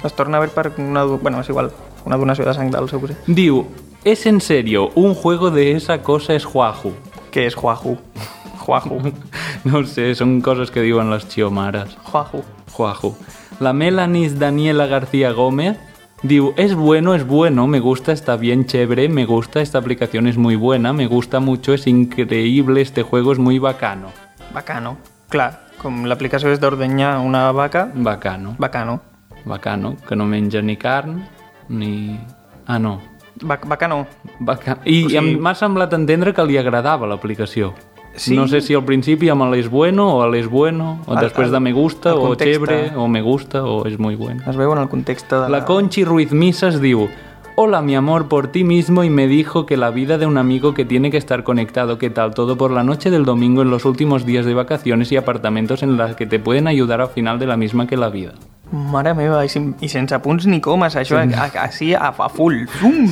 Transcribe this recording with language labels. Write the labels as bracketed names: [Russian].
[Catalan] Es torna a veure per una... Bueno, és igual, una donació de sang del seu cosí. [Spanish] Diu, es en serio, un juego de esa cosa es juaju. [Catalan] Què és juaju? Juaju. No ho sé, són coses que diuen les xiomares. Juaju. Juaju. [Spanish] La Melanis Daniela García Gómez diu, es bueno, me gusta, está bien chévere, me gusta, esta aplicación es muy buena, me gusta mucho, es increíble, este juego es muy bacano. [Catalan] Bacano, clar, com l'aplicació és d'ordeñar una vaca... Bacano. Bacano. Bacano, que no menja ni carn, ni... Ah, no. Bacano. I m'ha semblat entendre que li agradava l'aplicació. Sí. No sé si al principi amb el [Spanish] es bueno o el es bueno, [Catalan] o després de [Spanish] me gusta, [Catalan] o chévere, o me gusta, o [Spanish] es muy bueno. [Catalan] Es veu en el context de... [Spanish] La Conchi Ruiz Misas diu, hola mi amor, por ti mismo y me dijo que la vida de un amigo que tiene que estar conectado, ¿qué tal todo por la noche del domingo en los últimos días de vacaciones y apartamentos en las que te pueden ayudar al final de la misma que la vida? [Catalan] Mare meva, i sense punts ni comes, això, així, a full, zoom!